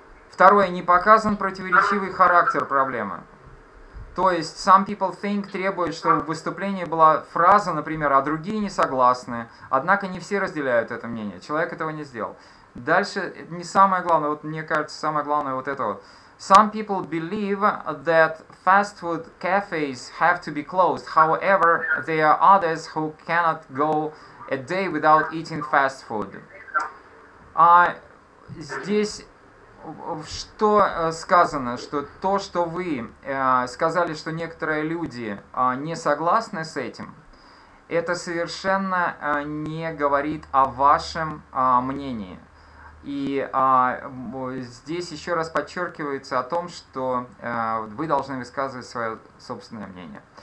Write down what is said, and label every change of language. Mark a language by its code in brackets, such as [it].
[ru] Второе, не показан противоречивый характер проблемы. То есть, [en] some people think [ru] требует, чтобы в выступлении была фраза, например, а другие не согласны. Однако не все разделяют это мнение. Человек этого не сделал. Дальше, не самое главное, вот мне кажется, самое главное вот это вот. [en] Some people believe that fast food cafes have to be closed. However, there are others who cannot go a day without eating fast food. [ru] Здесь... что сказано, что то, что вы сказали, что некоторые люди не согласны с этим, это совершенно не говорит о вашем мнении. И здесь еще раз подчеркивается о том, что вы должны высказывать свое собственное мнение.